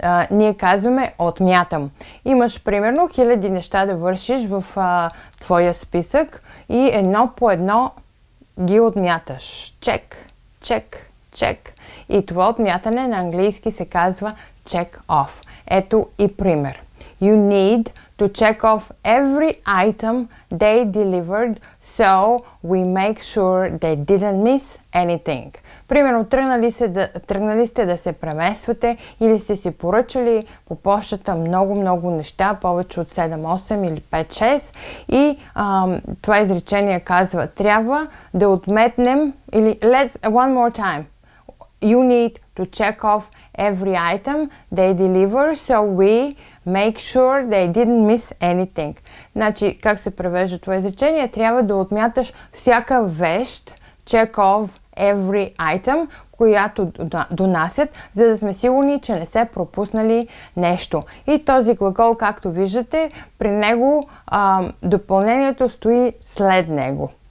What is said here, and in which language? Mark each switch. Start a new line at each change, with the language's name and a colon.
Bulgarian: Ние казваме отмятам. Имаш примерно хиляди неща да вършиш в твоя списък и едно по едно ги отмяташ. Чек, чек, чек. И това отмятане на английски се казва check off. Ето и пример.
English: You need to check off every item they delivered so we make sure they didn't miss anything.
Bulgarian: Примерно, тръгнали сте да се премествате или сте си поръчали по пощата много-много неща, повече от 7-8 или 5-6 и това изречение казва, трябва да отметнем или
English: one more time. You need to check off every item they deliver so we make sure they didn't miss anything.
Bulgarian: Значи, как се превежда това изречение? Трябва да отмяташ всяка вещ,
English: check off every item,
Bulgarian: която донасят, за да сме сигурни, че не се пропуснали нещо. И този глагол, както виждате, при него допълнението стои след него.